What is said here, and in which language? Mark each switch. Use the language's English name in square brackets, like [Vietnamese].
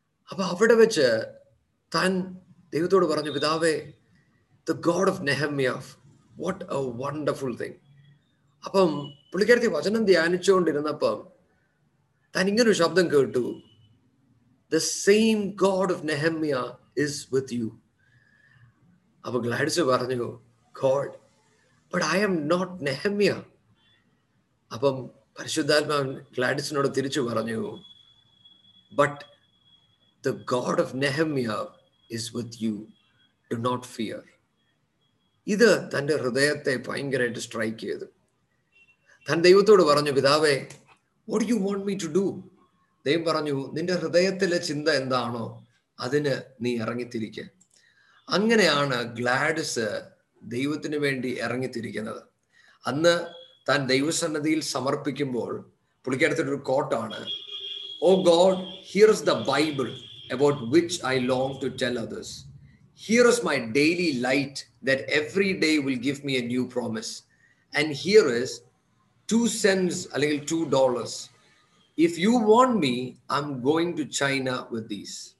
[Malayalam] അപ്പൊ അവിടെ വെച്ച് താൻ ദൈവത്തോട് പറഞ്ഞു, പിതാവേ [English] The God of Nehemiah, what a wonderful thing. [Malayalam] അപ്പം പുള്ളിക്കാരത്തി വചനം ധ്യാനിച്ചുകൊണ്ടിരുന്നപ്പം താൻ ഇങ്ങനൊരു ശബ്ദം കേട്ടു, [English] The same God of Nehemiah is with you. [Malayalam] അപ്പൊ ഗ്ലാഡിസ് പറഞ്ഞു, [English] God, but I am not Nehemiah. [Malayalam] അപ്പം പരിശുദ്ധാത്മാവ് ഗ്ലാഡിസിനോട് തിരിച്ചു പറഞ്ഞു, [English] but the God of Nehemiah is with you. Do not fear. [Malayalam] ഇത് തന്റെ ഹൃദയത്തെ ഭയങ്കരമായിട്ട് സ്ട്രൈക്ക് ചെയ്തു. തൻ്റെ ദൈവത്തോട് പറഞ്ഞു, പിതാവേ [English] what do you want me to do? [Malayalam] ദൈവം പറഞ്ഞു, നിന്റെ ഹൃദയത്തിലെ ചിന്ത എന്താണോ അതിന് നീ ഇറങ്ങിത്തിരിക്ക. അങ്ങനെയാണ് ഗ്ലാഡിസ് ദൈവത്തിന് വേണ്ടി ഇറങ്ങിത്തിരിക്കുന്നത്. അന്ന് താൻ ദൈവസന്നിധിയിൽ സമർപ്പിക്കുമ്പോൾ പുള്ളിക്കാരത്തിയുടെ ഒരു കോട്ടാണ്, [English] Oh God here is the Bible about which I long to tell others, here is my daily light that every day will give me a new promise, and here is $0.02 അല്ലെങ്കിൽ $2, if you want me I am going to China with these.